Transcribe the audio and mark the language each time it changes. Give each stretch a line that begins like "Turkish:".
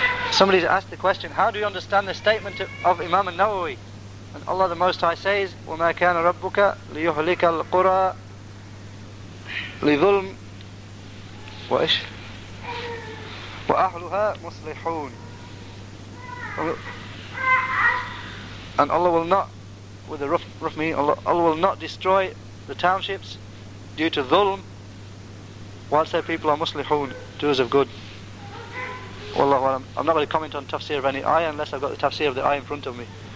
English: Somebody's asked the question, how do you understand the statement of Imam al-Nawawi? And Allah the Most High says,
Arabic: وَمَا كَانَ رَبُّكَ لِيُهْلِكَ الْقُرَىٰ لِظُلْمٍ وَإِشْ وَأَهْلُهَا مُصْلِحُونَ.
English: And Allah will not, with a rough meaning, Allah will not destroy the townships due to dhulm whilst their people are muslihun, doers of good. Wallahu alam. I'm not going to comment on tafsir of any ayah unless I've got the tafsir of the ayah in front of me.